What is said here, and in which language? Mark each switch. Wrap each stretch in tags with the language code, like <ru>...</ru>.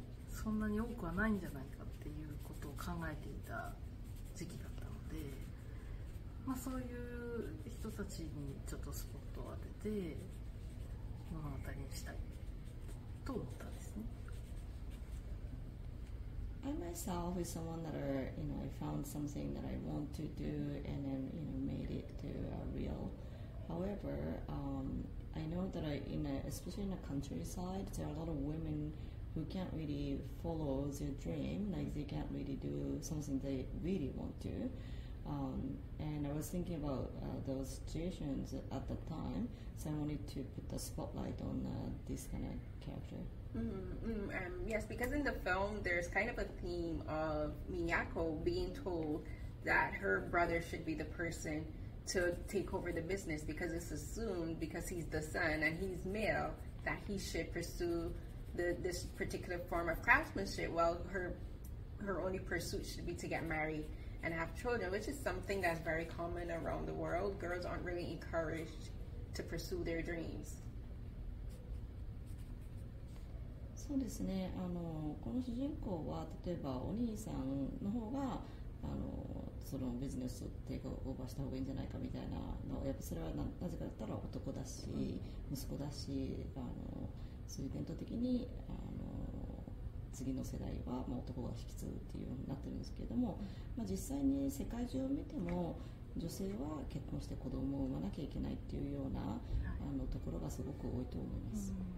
<ja>そんなに多くはないんじゃないかっていうことを考えていた時期だったので、そういう人たちにちょっとスポットを当てて物語にしたいと思ったんですね。</ja> <en>I myself is someone that I found something that I want to do and then made it to a real. However, I know that especially in the countryside, there are a lot of women who can't really follow their dream, like they can't really do something they really want to. And I was thinking about those situations at the time, so I wanted to put the spotlight on this kind of character. Yes, because in the film there's kind of a theme of Miyako being told that her brother should be the person to take over the business, because it's assumed, because he's the son and he's male, that he should pursue this particular form of craftsmanship, while her only pursuit should be to get married and have children, which is something that's very common around the world. Girls aren't really encouraged to pursue their dreams.</en> <ja>そうですね。この主人公は、例えばお兄さんの方が、そのビジネスをテイクオーバーした方がいいんじゃないかみたいなのやっぱそれは なぜかだったら男だし、うん、息子だしあのそういう伝統的にあの次の世代は、まあ、男が引き継ぐっていうようになってるんですけれども、まあ、実際に世界中を見ても女性は結婚して子供を産まなきゃいけないっていうようなあのところがすごく多いと思います、</ja>